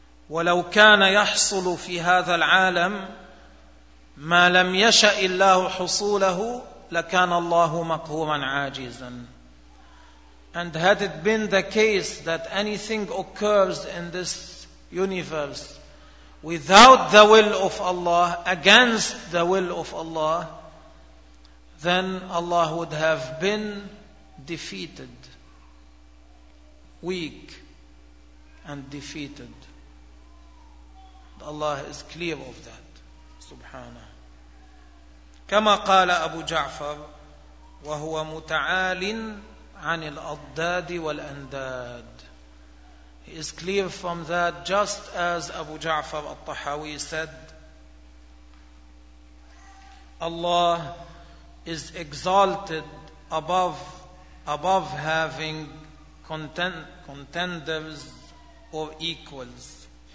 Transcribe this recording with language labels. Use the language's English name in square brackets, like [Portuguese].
[Arabic] ولو كان يحصل في هذا العالم ما لم يشأ الله حصوله لكان الله مقهورا عاجزا. [English] And had it been the case that anything occurs in this universe without the will of Allah, against the will of Allah, then Allah would have been defeated, weak and defeated. Allah is clear of that. Subhana. [Arabic] كما قال أبو جعفر وهو متعال عن الأضداد والأنداد. [English] He is clear from that, just as Abu Ja'far al-Tahawi said, Allah is exalted above having contenders or equals.